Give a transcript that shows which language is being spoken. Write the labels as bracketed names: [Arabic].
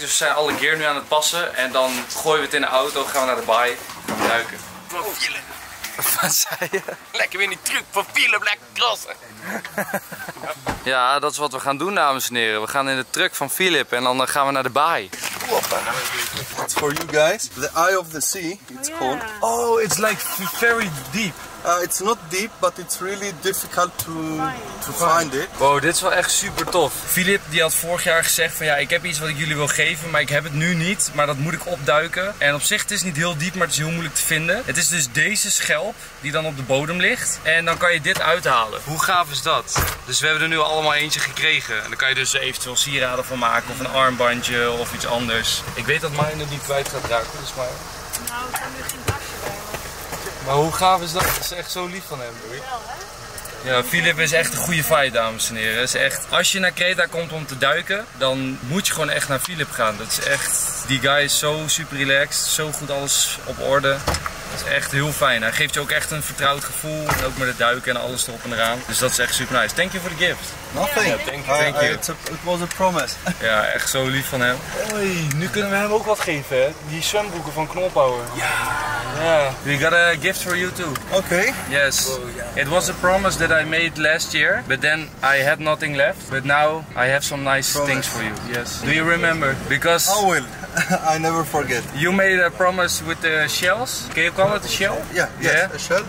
[Dutch] Dus we zijn alle gear nu aan het passen. En dan gooien we het in de auto. Gaan we naar de baai. Gaan we duiken. Van Philip. Wat zei je? Lekker weer in die truck. Van Philip, lekker crossen. Ja, dat is wat we gaan doen, dames en heren. We gaan in de truck van Philip. En dan gaan we naar de baai. [English] It's for you guys. The eye of the sea, it's called. Oh, it's like very deep. It's not deep, but it's really difficult to find it. [Dutch] Wow, dit is wel echt super tof. Filip die had vorig jaar gezegd van ja, ik heb iets wat ik jullie wil geven, maar ik heb het nu niet. Maar dat moet ik opduiken. En op zich, het is niet heel diep, maar het is heel moeilijk te vinden. Het is dus deze schelp die dan op de bodem ligt. En dan kan je dit uithalen. Hoe gaaf is dat? Dus we hebben er nu allemaal eentje gekregen. En dan kan je dus eventueel sieraden van maken of een armbandje of iets anders. Ik weet dat Maya het niet kwijt gaat raken, dus Maya. Nou, ik heb nu geen dagje bij. Maar hoe gaaf is dat? Dat is echt zo lief van hem, broer. Ja, Filip is echt een goede vibe, dames en heren. Is echt, als je naar Creta komt om te duiken, dan moet je gewoon echt naar Filip gaan. Dat is echt, die guy is zo super relaxed, zo goed alles op orde. Dat is echt heel fijn. Hij geeft je ook echt een vertrouwd gevoel, ook met het duiken en alles erop en eraan. Dus dat is echt super nice. [English] Thank you for the gift. Nothing. Yeah, thank you. It was a promise. [Dutch] Ja, echt zo lief van hem. Oei, nu kunnen we hem ook wat geven, hè? Die zwembroeken van Knolpower. [English] Ja. Yeah. We got a gift for you too. Okay. Yes. It was a promise that I made last year, but then I had nothing left. But now I have some nice things for you. Yes. Do you remember? Because I will. I never forget. You made a promise with the shells. Can you call it a shell? Yeah. A shell.